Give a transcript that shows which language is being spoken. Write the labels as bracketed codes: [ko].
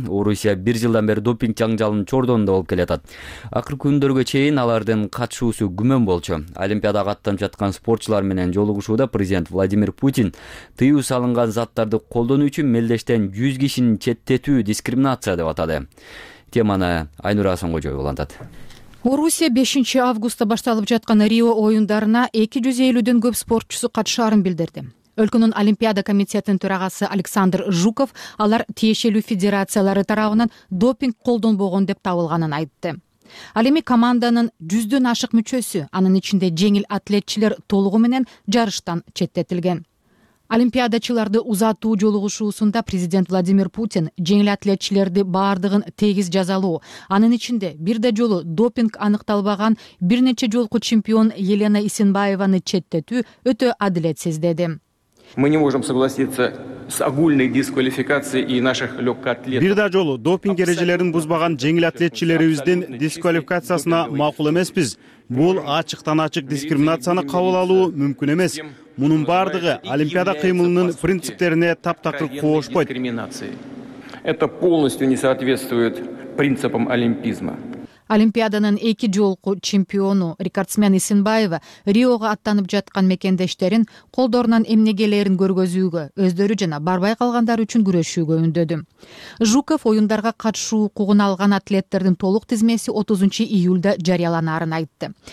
[ky] Орусия бир жылдан бери допинг жаңжалынын чордонунда болуп келатат. Акыркы күндөргө чейин алардын катышуусу күмөн болчу. Олимпиадага аттанып жаткан спортчулар менен жолугушууда президент Владимир Путин тыюу салынган заттарды колдонуу үчүн мелдештен 100 кишини четтетүү дискриминация деп атады. Теманы Айнура Асангожой улантат. Орусия 5-августта башталып жаткан Рио оюндарына 250 көп спортчусу катышаарын билдирди. Өлкөнүн Олимпиада комитетинин төрагасы Александр Жуков алар тиешелүү федерациялары тарабынан допинг колдонбогон деп табылганын айтты. Ал эми команданын 100 ашык мүчөсү, анын ичинде жеңил атлетчилер толугу менен жарыштан четтетилген. Олимпиадачыларды узатуу жолугушуусунда президент Владимир Путин жеңил атлетчилерди бардыгын тегиз жазалоо, анын ичинде бир да жолу допинг аныкталбаган бир нече жолку чемпион Елена Исинбаеваны четтетүү өтө адилетсиз деди. [ru] Мы не можем согласиться с огульной дисквалификацией и наших легкоатлетов. [ky] Бир да жолу допинг эрежелерин бузбаган жеңил атлетчилерибиздин дисквалификациясына макул эмеспиз. Бул ачыктан ачык дискриминацияны кабыл алуу мүмкүн эмес. Мунун бардыгы Олимпиада кыймылынын принциптерине таптакыр коошпойт. [ru] Это полностью не соответствует принципам олимпизма. [ky] Олимпиаданын эки жолку чемпиону, рекордсмен Исинбаева Риого аттанып жаткан мекендештерин колдорунан эмнегелерин көргөзүүгө, өздөрү жана барбай калгандар үчүн күрөшүүгө үндөдү. Жуков оюндарга катышуу укугун алган атлеттердин толук тизмеси 30-июлда жарыяланарын айтты.